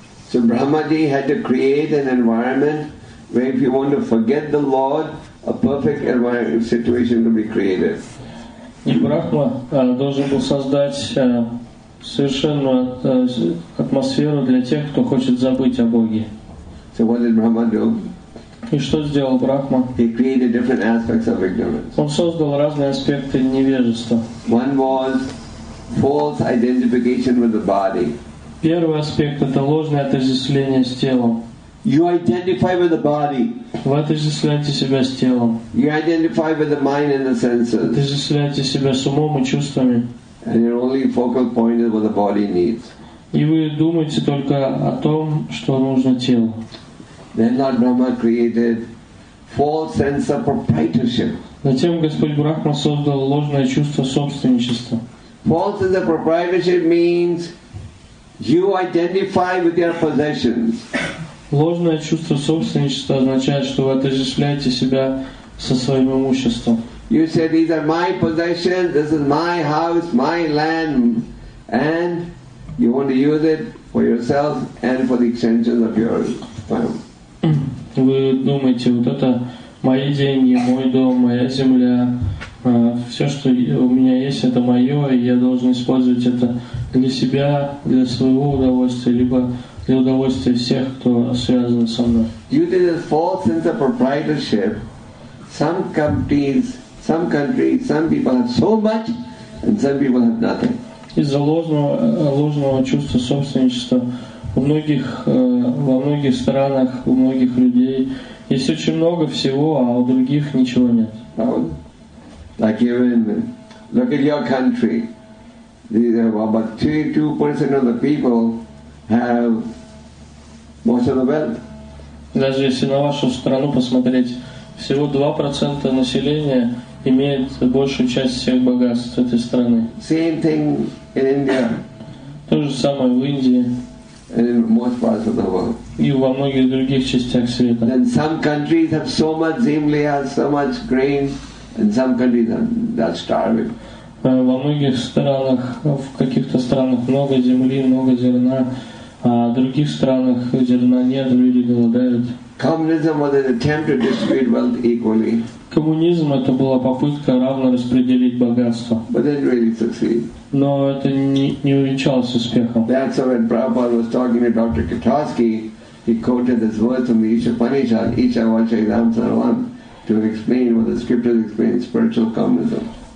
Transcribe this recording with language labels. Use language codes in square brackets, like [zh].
[en] So Brahmaji had to create an environment where, if you want to forget the Lord, a perfect environment situation will be created. [ru] И Брахма должен был создать совершенную атмосферу для тех, кто хочет забыть о Боге. [en] So what did Brahma do? [ru] И что сделал Брахма? [en] He created different aspects of ignorance. [ru] Он создал разные аспекты невежества. [en] One was false identification with the body. [ru] Первый аспект — это ложное отождествление с телом. [en] You identify with the body. [ru] Вы отождествляете себя с телом. [en] You identify with the mind and the senses. [ru] Отождествляете себя с умом и чувствами. [en] And your only focal point is what the body needs. [ru] И вы думаете только о том, что нужно телу. [en] Then Lord Brahma created false sense of proprietorship. [ru] Затем Господь Брахма создал ложное чувство собственничества. [en] False sense of proprietorship means you identify with your possessions. [ru] Ложное чувство собственничества означает, что вы отождествляете себя со своим имуществом. [en] You said these are my possessions, this is my house, my land, and you want to use it for yourself and for the extension of your family. [ru] Вы думаете, вот это мои деньги, мой дом, моя земля, все, что у меня есть, это мое, и я должен использовать это для себя, для своего удовольствия, либо для удовольствия всех, кто связан со мной. [en] Due to the false sense of proprietorship, some companies, some countries, some people have so much, and some people have nothing. [ru] Из-за ложного чувства собственничества. Во многих странах, у многих людей есть очень много всего, а у других ничего нет. [en] Like even, look at your country. About 2% of the people have most of the wealth. [ru] Даже если на вашу страну посмотреть, всего 2% населения имеет большую часть всех богатств этой страны. [en] Same thing in India. [ru] То же самое в Индии. [en] And in most parts of the world. [ru] И во многих других частях света. [en] And some countries have so much [ru] zemlya, [en] so much grain, and some countries are starving. [ru] Во многих странах, в каких-то странах много земли, много зерна, а в других странах зерна нет, люди голодают. [en] Communism was an attempt to distribute wealth equally. [ru] Коммунизм — это была попытка равно распределить богатство. [en] But it didn't really succeed. [ru] Но это не увенчалось успехом. [en] That's when Prabhupada was talking to Dr. Katarsky, he quoted this verse from the Ishapanishad, Ishavachayamsarvam, to explain what the scriptures explain spiritual communism.